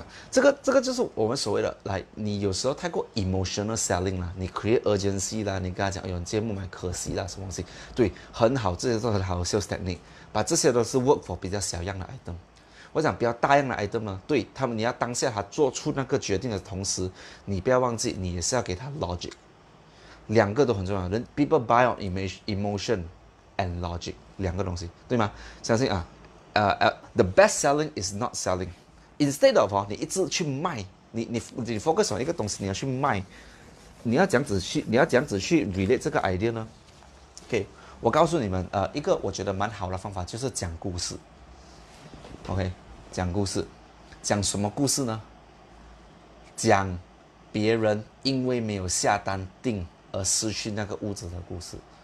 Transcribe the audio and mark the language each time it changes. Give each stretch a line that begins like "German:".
Chinese: 这个就是我们所谓的来，你有时候太过 emotional selling 啦，你 create urgency 啦，你跟他讲，哎呦，你今天不买可惜啦，什么东西？对，很好，这些都很好的 sales technique， 把这些都是 work for 比较小样的 item。我讲比较大样的 item 呢，对他们，你要当下他做出那个决定的同时，你不要忘记，你也是要给他 logic， 两个都很重要。人
English: people buy on emotion and logic
Chinese: 两个东西，对吗？相信啊，
English: the best selling is not selling。
Chinese: Instead of 你一直去卖，你 focus on 一个东西，你要去卖，你要这样子去 relate 这个 idea 呢 ？OK， 我告诉你们，一个我觉得蛮好的方法就是讲故事。 OK， 讲故事，讲什么故事呢？讲别人因为没有下单订而失去那个屋子的故事。